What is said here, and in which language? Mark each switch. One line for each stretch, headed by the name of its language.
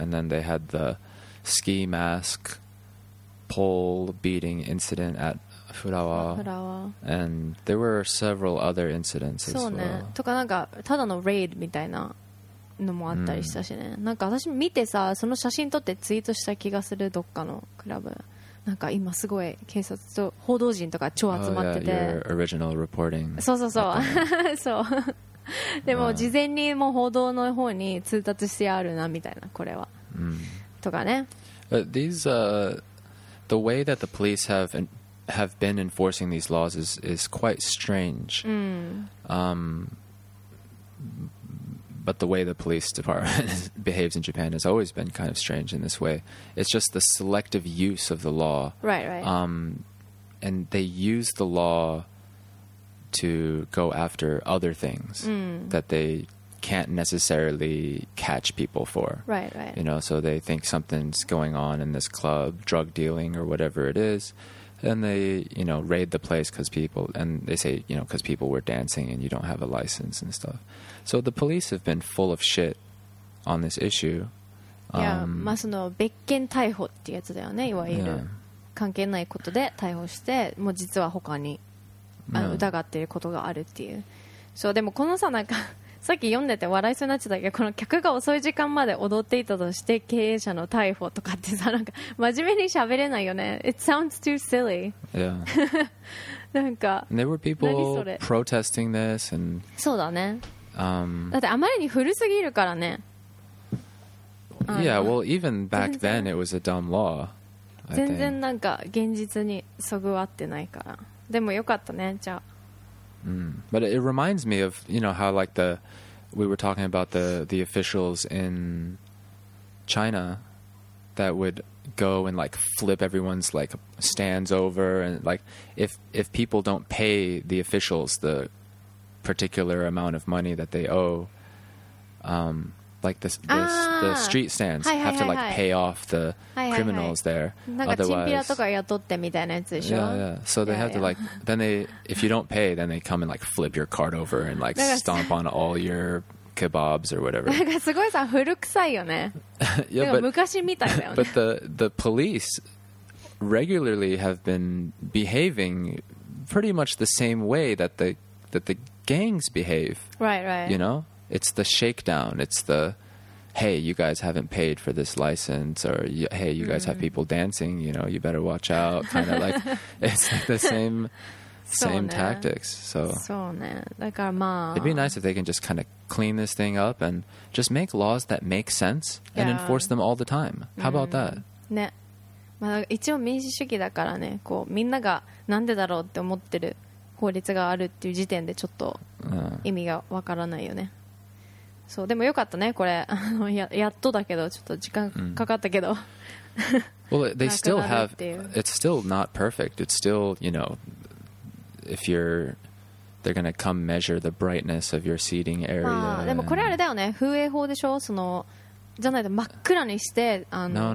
English: And then they had the ski mask pole beating incident at Furawa. Furawa. And there were several other incidents as、
Japanese: ね、
English: well.
Japanese: そうね。とかなんかただのレイドみたいなのもあったりしたしね。なんか私見てさ、その写真撮ってツイートした気がする、どっかのクラブ。なんか今すごい警察と報道陣とか超集まってて、
English: your original reporting、
Japanese: そうそうそう、そう。でも事前にもう報道の方に通達してあるなみたいな、これは、とかね。
English: But these the way that the police have been enforcing these laws is quite strange.、But the way the police department behaves in Japan has always been kind of strange in this way. It's just the selective use of the law. Right. and they use the law to go after other things that they can't necessarily catch people for. Right, right. You know, so they think something's going on in this club, drug dealing or whatever it is. And they, you know, raid the place because people, and they say, you know, because people were dancing and you don't have a license and stuff. So the police have been full of shit on this issue.
Japanese: Yeah, まあその別件逮捕ってやつだよね、いわゆる。関係ないことで逮捕して、もう実は他に疑っていることがあるっていう。そう、でもこのさ、なんか、さっき読んでて笑いそうになっちゃったけど、この客が遅い時間まで踊っていたとして経営者の逮捕とかってさ、なんか真面目に喋れないよね。
English: It sounds too silly. Yeah.
Japanese: なんか、
English: There were people protesting this and...
Japanese: そうだね。だってあまりに古すぎるからね。
English: Yeah, well, even back then it was a dumb law.
Japanese: 全然なんか現実にそぐわってないから。でもよかったね、じゃあ。
English: But it reminds me of, you know, how like the, we were talking about the officials in China that would go and like flip everyone's like stands over and like if people don't pay the officials the particular amount of money that they owe, like the street stands have to like pay off the criminals there. Otherwise,
Japanese: なんかチンピラとか雇ってみたいなやつでしょ?
English: Yeah, yeah. So they have to like, then they, if you don't pay, then they come and like flip your cart over and like stomp on all your kebabs or whatever.
Japanese: なんかすごいさ、古臭いよね。
English: Yeah, but,
Japanese: 昔みたいだよね。
English: But the police regularly have been behaving pretty much the same way that the gangs behave. Right, right. You know? It's the shakedown. It's the, hey, you guys haven't paid for this license, or hey, you guys have people dancing. You know, you better watch out. Kind of like it's like the same tactics. So,
Japanese: そうね。だからまあ、
English: it'd be nice if they can just kind of clean this thing up and just make laws that make sense and enforce them all the time. How about that?
Japanese: ね、まあ一応民主主義だからね、こうみんながなんでだろうって思ってる法律があるっていう時点でちょっと意味がわからないよね。そうでもよかったねこれやっとだけどちょっと時間かかったけど。
English: Well, they still have. It's still not perfect. It's still, you know, if you're, they're gonna come measure the brightness of your seating area.
Japanese: まあでもこれあれだよね。風営法でしょ。そのじゃないと真っ暗にしてあの。